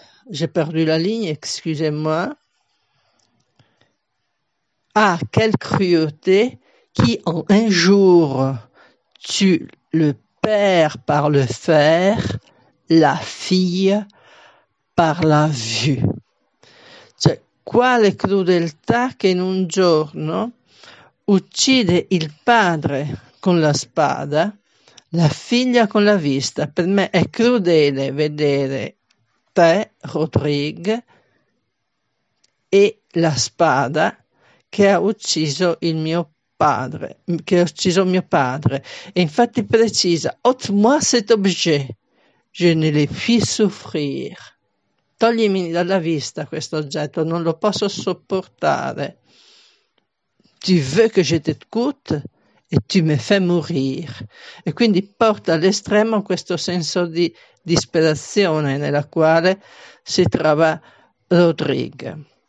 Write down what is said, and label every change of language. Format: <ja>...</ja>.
<fr>J'ai perdu la ligne, excusez-moi. Ah, quelle cruauté qui en un jour tue le père par le fer, la fille par la vue.</fr> <it>Cioè, quale crudeltà che in un giorno uccide il padre con la spada, la figlia con la vista. Per me è crudele vedere Rodrigue e la spada che ha ucciso il mio padre, che ha ucciso mio padre. E infatti precisa:</it> <fr>ôte-moi cet objet, je ne le puis souffrir.</fr> <it>Toglimi dalla vista questo oggetto, non lo posso sopportare.</it> <fr>Tu veux que je te coûte?</fr> <it>E tu me fai morire. E quindi porta all'estremo questo senso di disperazione nella quale si trova Rodrigue.</it>